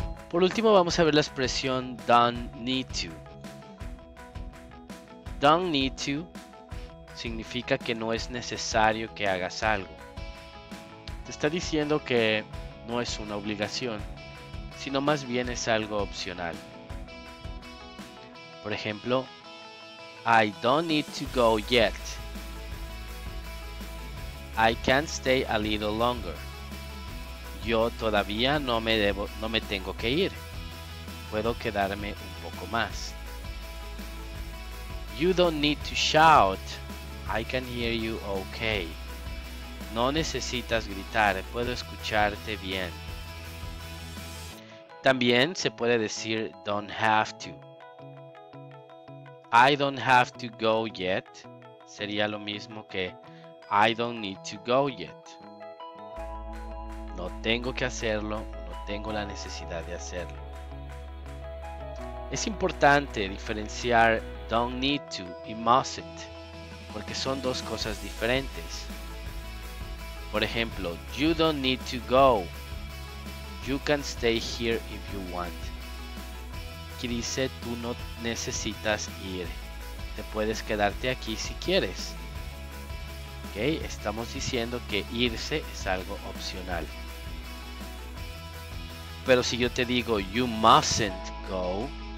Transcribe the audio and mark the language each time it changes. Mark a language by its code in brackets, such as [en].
[es] Por último, vamos a ver la expresión don't need to. Don't need to significa que no es necesario que hagas algo. Te está diciendo que no es una obligación, sino más bien es algo opcional. Por ejemplo, [en] I don't need to go yet. I can't stay a little longer. [es] Yo todavía no me tengo que ir. Puedo quedarme un poco más. [en] You don't need to shout. I can hear you okay. [es] No necesitas gritar, puedo escucharte bien. También se puede decir [en] don't have to. I don't have to go yet. [es] Sería lo mismo que [en] I don't need to go yet. [es] No tengo que hacerlo, no tengo la necesidad de hacerlo. Es importante diferenciar don't need to y mustn't, porque son dos cosas diferentes. Por ejemplo, [en] you don't need to go. You can stay here if you want. [es] Aquí dice, tú no necesitas ir. Te puedes quedarte aquí si quieres. ¿Okay? Estamos diciendo que irse es algo opcional. Pero si yo te digo, [en] you mustn't go.